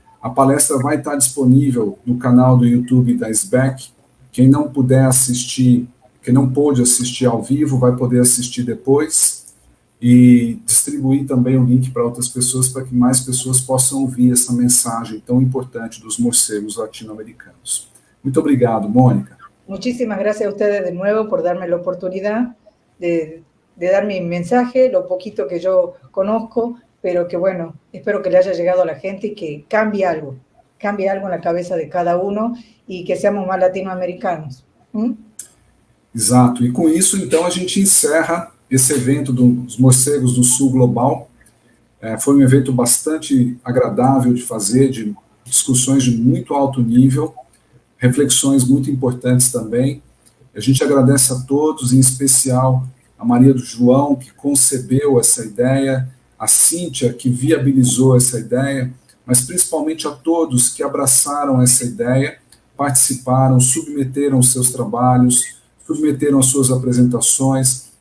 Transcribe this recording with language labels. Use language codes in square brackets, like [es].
[pt] A palestra vai estar disponível no canal do YouTube da SBEC. Quem não puder assistir, quem não pôde assistir ao vivo, vai poder assistir depois e distribuir também o link para outras pessoas, para que mais pessoas possam ouvir essa mensagem tão importante dos morcegos latino-americanos. Muito obrigado, Mônica. [es] Muchísimas gracias a ustedes de nuevo por darme la oportunidad de dar mi mensaje, lo poquito que yo conozco. Pero que bueno, espero que le haya llegado a la gente y que cambie algo en la cabeza de cada uno y que seamos más latinoamericanos. Exacto, y con eso entonces [pt] a gente encerra este evento dos Morcegos do Sul Global. [es] Fue un evento bastante agradable de hacer, de discusiones de muy alto nivel, reflexiones muy importantes también. [pt] A gente agradece a todos, [es] en especial [pt] a Maria do João, que concebeu [es] esa idea, [pt] a Cíntia, que viabilizou essa ideia, mas principalmente a todos que abraçaram essa ideia, participaram, submeteram seus trabalhos, submeteram as suas apresentações,